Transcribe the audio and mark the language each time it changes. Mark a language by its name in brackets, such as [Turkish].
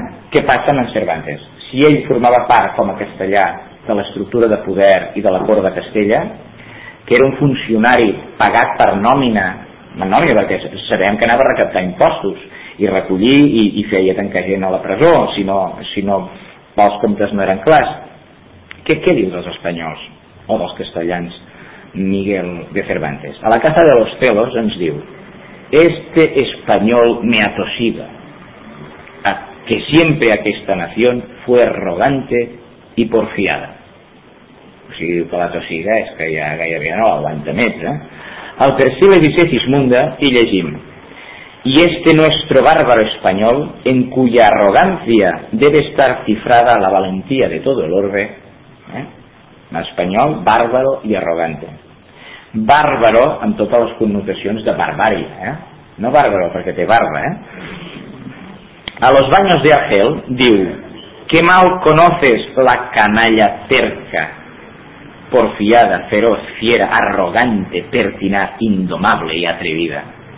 [Catalan] Què passa amb en Cervantes? Si ell formava part, com a castellà, de l'estructura de poder i de la cort de Castella, que era un funcionari pagat per nòmina, perquè sabem que anava a recaptar impostos i recollir i feia tancar gent a la presó, si no els comptes no eren clars. Què diu dels espanyols o dels castellans Miguel de Cervantes? [Spanish] A la Casa de los Celos [Catalan] ens diu: [Spanish] este español me atosiga, a que siempre [Catalan] aquesta nació [Spanish] fue arrogante y porfiada. [Catalan] O sigui, diu que l'atosiga és que ja gairebé no l'aguanta més, eh? [Spanish] El tercer le dice Sismunda, [Catalan] i llegim: [Spanish] y este nuestro bárbaro español, en cuya arrogancia debe estar cifrada la valentía de todo el orbe, espanyol, bárbaro y arrogante. [Catalan] Bárbaro amb totes les connotacions de barbària, no bárbaro perquè té barba, A los baños de Argel diu: [Spanish] que mal conoces la canalla terca, porfiada, feroz, fiera, arrogante, pertinaz, indomable y atrevida.